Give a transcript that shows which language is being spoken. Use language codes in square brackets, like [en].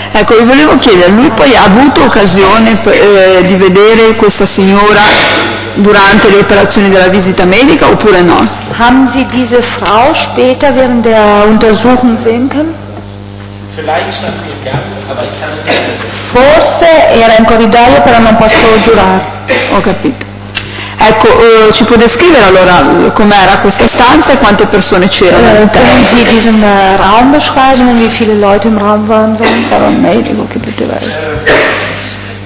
[it] Ecco, vi volevo chiedere, lui poi ha avuto occasione di vedere questa signora durante le operazioni della visita medica oppure no? [de] Haben Sie diese Frau später während der Untersuchung sehen können? [it] Forse era in corridoio, però non posso giurare. Ho capito. Ecco, ci può descrivere allora com'era questa stanza e quante persone c'erano all'interno? [de] Können Sie diesen Raum beschreiben, wie viele Leute im Raum waren? [it] Era un medico che poteva essere.